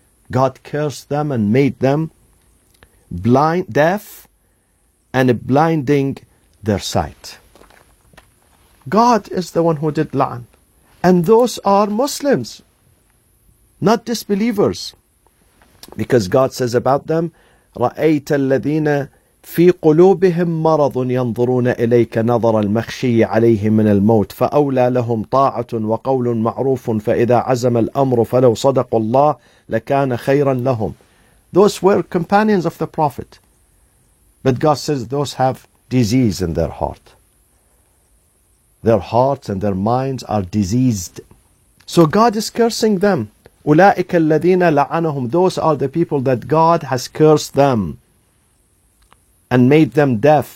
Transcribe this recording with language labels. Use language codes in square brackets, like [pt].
[en] God cursed them and made them blind, deaf, and blinding their sight. God is the one who did la'an. And those are Muslims, not disbelievers. Because God says about them, [ar] رَأَيْتَ الَّذِينَ فِي قُلُوبِهِمْ مَرَضٌ يَنْظُرُونَ إِلَيْكَ نَظَرَ الْمَخْشِيِّ عَلَيْهِ مِنَ الْمَوْتِ فَأَوْلَى لَهُمْ طَاعَةٌ وَقَوْلٌ مَعْرُوفٌ فَإِذَا عَزَمَ الْأَمْرُ فَلَوْ صَدَقُوا اللَّهَ لَكَانَ خَيْرًا لَهُمْ. [en] Those were companions of the Prophet. But God says those have disease in their heart. Their hearts and their minds are diseased. So God is cursing them. [ar] أُولَٰئِكَ الَّذِينَ لَعَنَهُمْ. [en] Those are the people that God has cursed them and made them deaf.